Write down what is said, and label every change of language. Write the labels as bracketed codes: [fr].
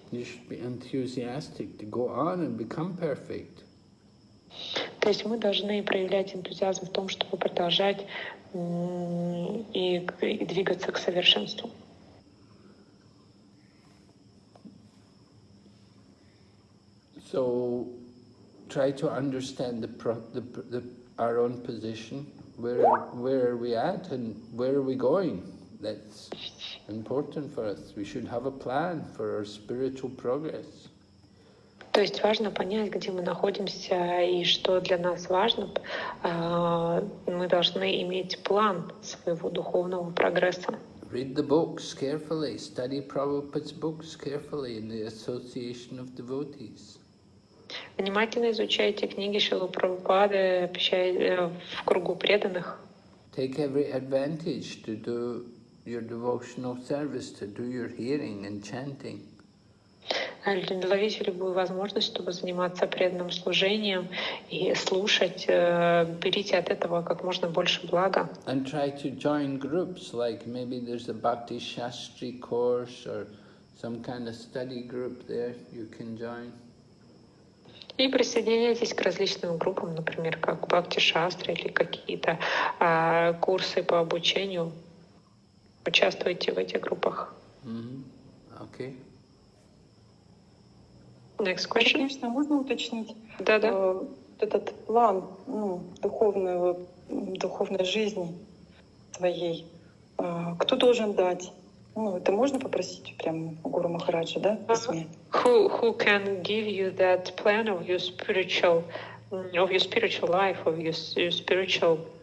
[en] You should be enthusiastic to go on and become perfect. [ru] То есть мы должны проявлять энтузиазм в том, чтобы продолжать и двигаться к совершенству. [en] So try to understand the our own position. Where are we at and where are we going? That's important for us. We should have a plan for our spiritual progress. [ru] То есть важно понять, где мы находимся и что для нас важно. Мы должны иметь план своего духовного прогресса. Read the books carefully, study Prabhupada's books carefully in the association of devotees. Внимательно изучайте книги Шрилы Прабхупады в кругу преданных. Take every advantage to do your devotional service, to do your hearing and chanting. Ловите любую возможность, чтобы заниматься преданным служением и слушать. Берите от этого как можно больше блага. [en] And try to join groups, like maybe there's a Bhakti Shastri course or some kind of study group there you can join. [ru] И присоединяйтесь к различным группам, например, как Бхакти Шастри или какие-то курсы по обучению. Участвуйте в этих группах. [en] Mm-hmm. Okay. Next question. [ru] Конечно, можно уточнить да. Этот план духовной жизни твоей? Кто должен дать? Это можно попросить прямо Гуру Махараджа, да, в письме? [en] Who can give you that plan of your spiritual life, of your spiritual